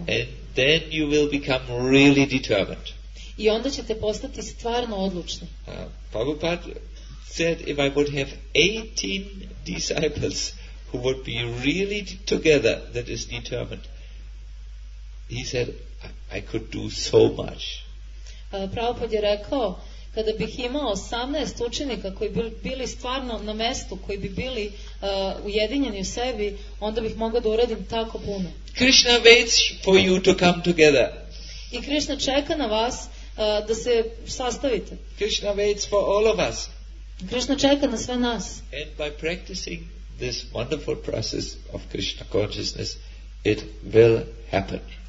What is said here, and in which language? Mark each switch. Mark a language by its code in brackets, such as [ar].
[en] and then you will become really determined, [sr] i onda ćete postati stvarno odlučni. [en] Prabhupada said if I would have 18 disciples who would be really together, that is determined, he said I could do so much. [sr] Prabhupada je rekao kada bih imao 18 učenika koji bi bili stvarno na mestu, koji bi bili ujedinjeni u sebi, onda bih mogao da uradim tako puno. [en] Krishna waits for you to come together, [sr] i Krishna čeka na vas da se sastavite. [en] Krishna waits for all of us, [sr] Krishna čeka na sve nas, [en] and by practicing this wonderful process of Krishna consciousness it will happen,